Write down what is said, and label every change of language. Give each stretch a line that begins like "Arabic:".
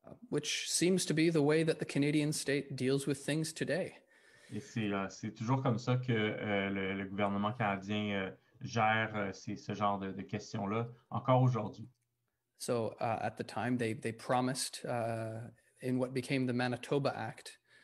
English: Which seems to be the way that the Canadian state deals with things today.
French: Et c'est toujours comme ça que le gouvernement canadien gère ce genre de questions-là encore aujourd'hui.
English: So at the time, they promised in what became the Manitoba Act.